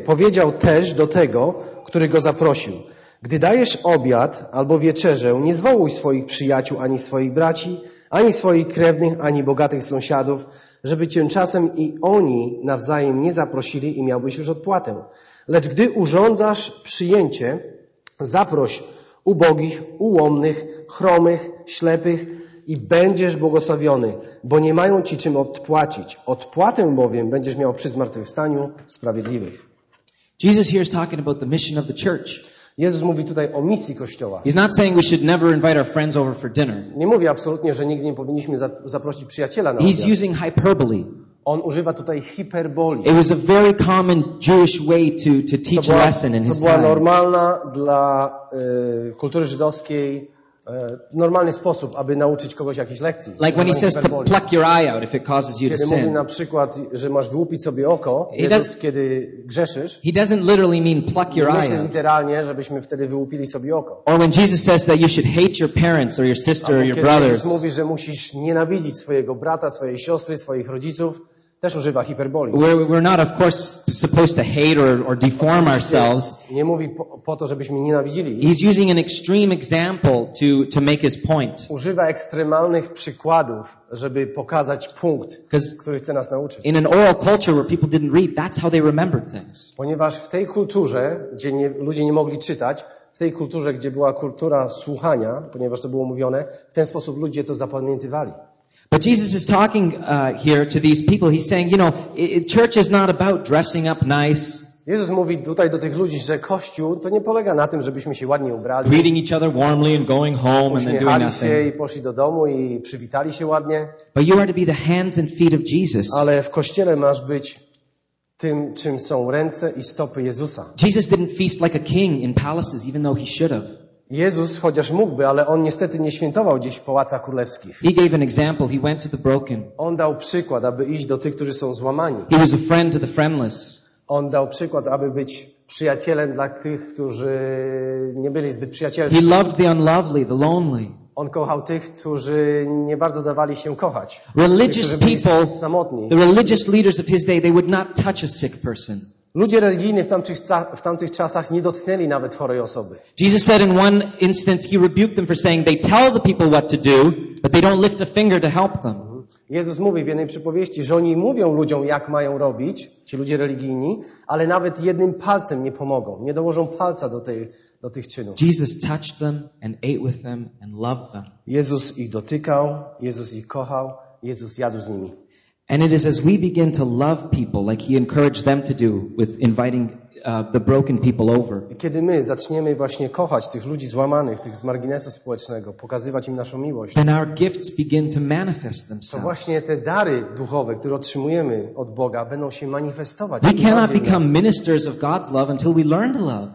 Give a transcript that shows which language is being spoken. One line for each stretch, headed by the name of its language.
Polish: Powiedział też do tego, który go zaprosił. Gdy dajesz obiad albo wieczerzę, nie zwołuj swoich przyjaciół, ani swoich braci, ani swoich krewnych, ani bogatych sąsiadów, żeby cię czasem i oni nawzajem nie zaprosili i miałbyś już odpłatę. Lecz gdy urządzasz przyjęcie, zaproś ubogich, ułomnych, chromych, ślepych i będziesz błogosławiony, bo nie mają ci czym odpłacić. Odpłatę bowiem będziesz miał przy zmartwychwstaniu sprawiedliwych.
English: Jesus here is talking about the mission of the church.
Polish: Jezus mówi tutaj o misji Kościoła.
English: He's not saying we should never invite our friends over for dinner.
Polish: Nie mówi absolutnie, że nigdy nie powinniśmy zaprosić przyjaciela na
English: obiad. He's using hyperbole.
Polish: On używa tutaj hiperboli.
English: It was a very common Jewish way to teach a lesson in his time.
Polish: To była normalna dla kultury żydowskiej normalny sposób, aby nauczyć kogoś jakiejś lekcji.
English: Like when he says to pluck your eye out if it causes you to sin.
Polish: Kiedy mówi na przykład, że masz wyłupić sobie oko, kiedy grzeszysz.
English: He doesn't literally mean pluck your eye out.
Polish: Nie literalnie, żebyśmy wtedy wyłupili sobie oko.
English: Or when Jesus says that you should hate your parents or your sister or your brothers.
Polish: Kiedy mówi, że musisz nienawidzić swojego brata, swojej siostry, swoich rodziców. Też używa hiperboli.
English: We're not of course supposed to hate or deform ourselves.
Polish: Nie mówi po to, żebyśmy nienawidzili.
English: He's using an extreme example to make his point.
Polish: Używa ekstremalnych przykładów, żeby pokazać punkt, który chce nas nauczyć.
English: In an oral culture where people didn't read, that's how they remembered things.
Polish: Ponieważ w tej kulturze, gdzie ludzie nie mogli czytać, w tej kulturze, gdzie była kultura słuchania, ponieważ to było mówione, w ten sposób ludzie to zapamiętywali.
English: But Jesus is talking here to these people. He's saying, you know, church is not about dressing up nice.
Polish: Jezus mówi tutaj do tych ludzi, że kościół to nie polega na tym, żebyśmy się ładnie ubrali.
English: Greeting each other warmly and going home and then doing nothing.
Polish: Uśmiechali się i poszli do domu i przywitali się ładnie.
English: But you are to be the hands and feet of Jesus.
Polish: Ale w kościele masz być tym, czym są ręce i stopy Jezusa.
English: Jesus didn't feast like a king in palaces, even though he should have.
Polish: Jezus, chociaż mógłby, ale on niestety nie świętował gdzieś w pałacach królewskich.
English: He gave an example. He went to the broken.
Polish: On dał przykład, aby iść do tych, którzy są złamani.
English: He was a friend to the friendless.
Polish: On dał przykład, aby być przyjacielem dla tych, którzy nie byli zbyt przyjacielscy.
English: He loved the unlovely, the lonely.
Polish: On kochał tych, którzy nie bardzo dawali się kochać.
English: Religious
Polish: tych, którzy byli
English: people,
Polish: samotni.
English: The religious leaders of his day, they would not touch a sick person.
Polish: Ludzie religijni w tamtych czasach nie dotknęli nawet chorej osoby.
English: Jesus said in one instance he rebuked them for saying they tell the people what to do, but they don't lift a finger to help them.
Polish: Jezus mówi w jednej przypowieści, że oni mówią ludziom jak mają robić, ci ludzie religijni, ale nawet jednym palcem nie pomogą, nie dołożą palca do tych czynów.
English: Jesus touched them and ate with them and loved them.
Polish: Jezus ich dotykał, Jezus ich kochał, Jezus jadł z nimi.
English: And it is as we begin to love people like he encouraged them to do with inviting the broken people over.
Polish: Kiedy my zaczniemy właśnie kochać tych ludzi złamanych, tych z marginesu społecznego, pokazywać im naszą miłość.
English: Then our gifts begin to manifest themselves.
Polish: To właśnie te dary duchowe, które otrzymujemy od Boga, będą się manifestować.
English: We cannot become ministers of God's love until we learn to love.